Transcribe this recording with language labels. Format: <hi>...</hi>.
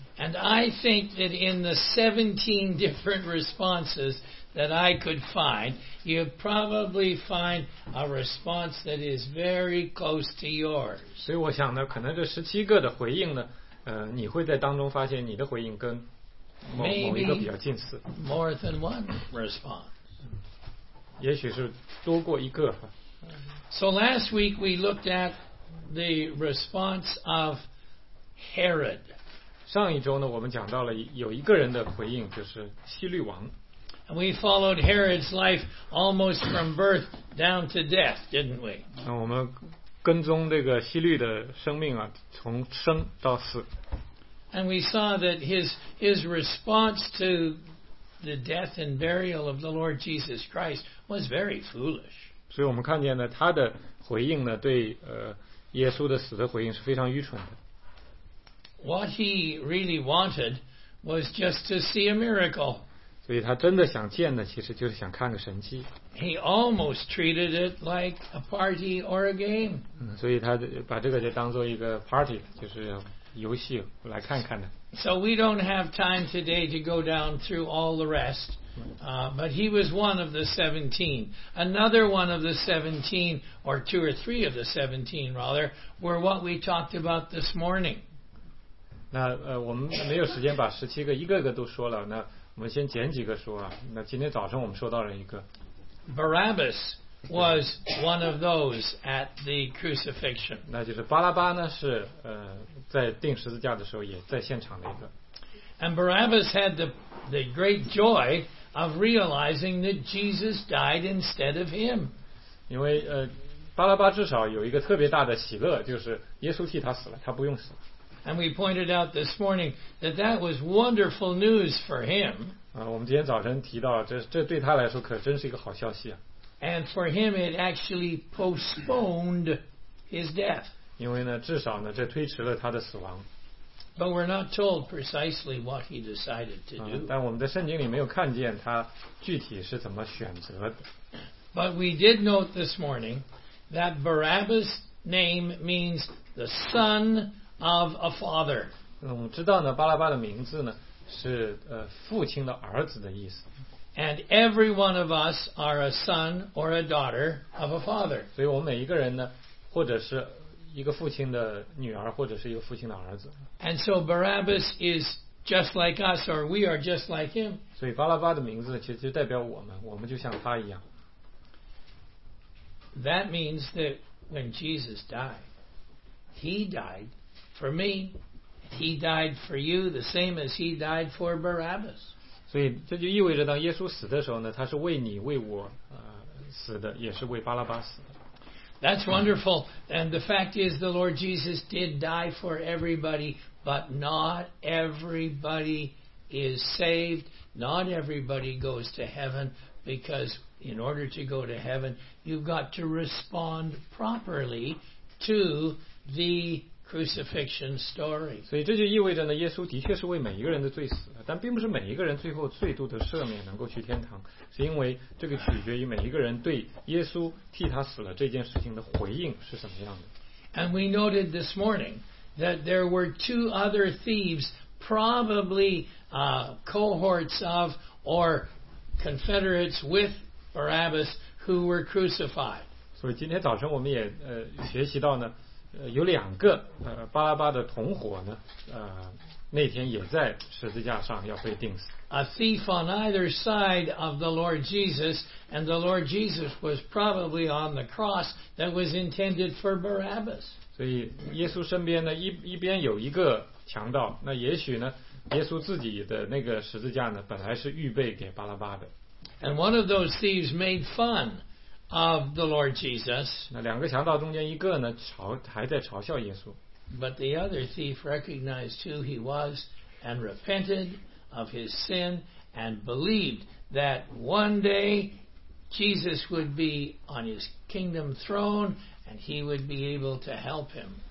<en>And I think that in the 17 different responses that I could find, you probably find a response that is very close to yours.</en> <zh>所以我想呢，可能这十七个的回应呢，你会在当中发现你的回应跟某一个比较近似。</zh> <en>Maybe more than one response.</en> <zh>也许是多过一个。</zh> <en>So last week we looked at the response of Herod.</en> <zh>上一周呢，我们讲到了有一个人的回应，就是希律王。</zh> <en>And we followed Herod's life almost from birth down to death, didn't we?</en> <zh>那我们跟踪这个希律的生命啊，从生到死。</zh> <en>And we saw that his response to the death and burial of the Lord Jesus Christ was very foolish.</en> <zh>所以我们看见呢，他的回应呢，对耶稣的死的回应是非常愚蠢的。</zh> <en>What he really wanted was just to see a miracle.</en> <zh>所以他真的想见的，其实就是想看个神迹。</zh> <en>He almost treated it like a party or a game.</en> <zh>所以他把这个就当做一个 party， 就是游戏来看看的。</zh> <en>So we don't have time today to go down through all the rest. But he was one of the 17. Another one of the 17, or two or three of the 17 rather, were what we talked about this morning.</en> <zh>那我们没有时间把十七个一个一个都说了，那我们先捡几个说啊。那今天早上我们说到了一个</zh> <en>，Barabbas was one of those at the crucifixion。</en> <zh>那就是巴拉巴呢是在钉十字架的时候也在现场的一个。</zh> <en>And Barabbas had the great joy of realizing that Jesus died instead of him。</en> <zh>因为巴拉巴至少有一个特别大的喜乐，就是耶稣替他死了，他不用死。</zh> <en>And we pointed out this morning that that was wonderful news for him.</en> <zh>我们今天早晨提到，这对他来说可真是一个好消息啊。</zh> <en>And for him, it actually postponed his death.</en> <zh>因为呢，至少呢，这推迟了他的死亡。</zh> <en>But we're not told precisely what he decided to do.</en> <zh>但我们在圣经里没有看见他具体是怎么选择的。</zh> <en>But we did note this morning that Barabbas' name means the son of a father.</en> <zh>我们知道呢，巴拉巴的名字呢是父亲的儿子的意思。</zh> <en>And every one of us are a son or a daughter of a father.</en> <zh>所以我们每一个人呢，或者是一个父亲的女儿，或者是一个父亲的儿子。</zh> <en>And so Barabbas is just like us, or we are just like him.</en> <zh>所以巴拉巴的名字其实就代表我们，我们就像他一样。</zh> <en>That means that when Jesus died, he died. For me, he died for you, the same as he died for Barabbas.</en> <zh>所以这就意味着，当耶稣死的时候呢，他是为你为我死的，也是为巴拉巴死的。</zh> <en>That's wonderful. And the fact is, the Lord Jesus did die for everybody, but not everybody is saved. Not everybody goes to heaven because, in order to go to heaven, you've got to respond properly to the crucifixion story.</en> <zh>所以这就意味着呢，耶稣的确是为每一个人的罪死了，但并不是每一个人最后罪都得赦免，能够去天堂，是因为这个取决于每一个人对耶稣替他死了这件事情的回应是什么样的。</zh> <en>And we noted this morning that there were two other thieves, probably cohorts of or confederates with Barabbas, who were crucified.</en> <zh>所以今天早晨我们也学习到呢。有两个巴拉巴的同伙呢那天也在十字架上要被钉死。</zh> <en>A thief on either side of the Lord Jesus, and the Lord Jesus was probably on the cross that was intended for Barabbas.</en> <zh>所以耶稣身边呢一边有一个强盗，那也许呢，耶稣自己的那个十字架呢，本来是预备给巴拉巴的。</zh> <en>And one of those thieves made fun of the Lord Jesus.</en> <zh>那两个强盗中间一个呢，还在嘲笑耶稣。</zh> <en>But the other thief recognized who he was and repented of his sin and believed that one day Jesus would be on his kingdom throne and he would be able to help him.</en>